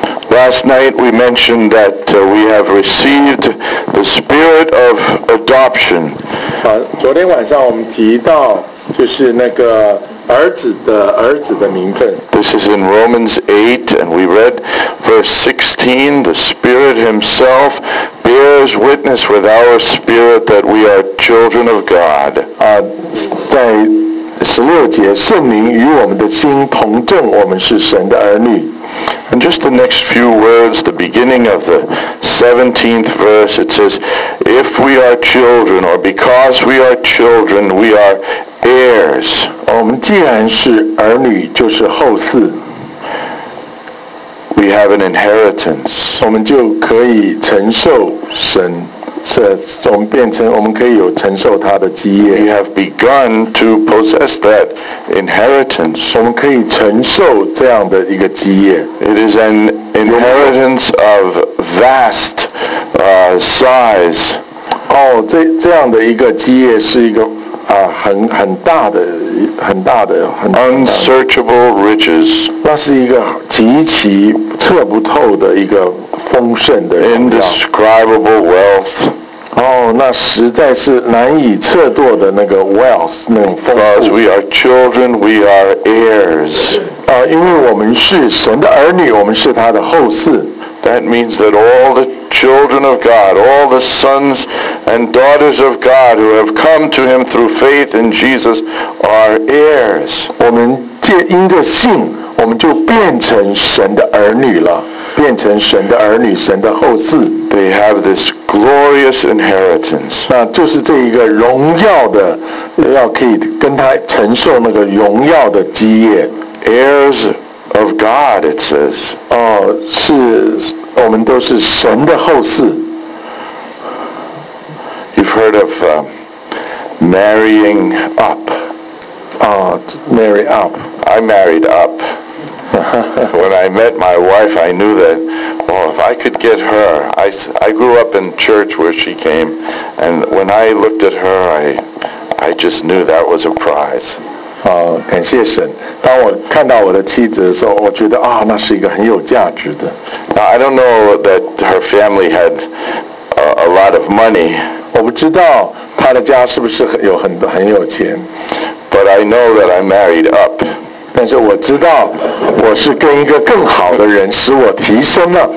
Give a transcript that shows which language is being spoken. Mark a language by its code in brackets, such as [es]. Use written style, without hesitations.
[en] Last night we mentioned that we have received the spirit of adoption. [zh] 昨天晚上我们提到就是那个儿子的名分。 [en] This is in Romans 8, and we read verse 16, the Spirit himself bears witness with our spirit that we are children of God. [zh] 在16节，圣灵与我们的心同证，我们是神的儿女。 [en] And just the next few words, the beginning of the 17th verse, it says, if we are children, or because we are children, we are heirs. [zh] 我们既然是儿女，就是后嗣。 [en] We have an inheritance. [zh] 我们就可以承受神，我们可以有承受他的基业。 [en] We have begun to possess that inheritance. [zh] 我们可以承受这样的一个基业。 [en] It is an inheritance of vast size. [zh] 这样的一个基业是一个。很大的 [en] unsearchable riches. [zh] 那是一个极其测不透的一个丰盛的 [en] indescribable wealth. [zh] 那实在是难以测度的那个 wealth, 那种丰富。 [en] Because we are children, we are heirs. [zh] 因为我们是神的儿女，我们是他的后嗣。 [en] That means that all the children of God, all the sons and daughters of God who have come to him through faith in Jesus are heirs. [zh] 我们借因着信，我们就变成神的儿女了，变成神的儿女，神的后嗣。 [en] They have this glorious inheritance. [zh] 那就是这一个荣耀的，要可以跟他承受那个荣耀的基业。 [en] Heirs of God, it says. [zh] 是我们都是神的后嗣。 [en] You've heard of marrying up. Oh, marry up. I married up. When I met my wife, I knew that, well, if I could get her, I grew up in church where she came, and when I looked at her, I just knew that was a prize. [zh] 感谢神。当我看到我的妻子的时候，我觉得啊，那是一个很有价值的。 [en] Now, I don't know that her family had a lot of money. [zh] 我不知道她的家是不是有很有钱。 [en] But I know that I married up. [zh] 但是我知道我是跟一个更好的人使我提升了。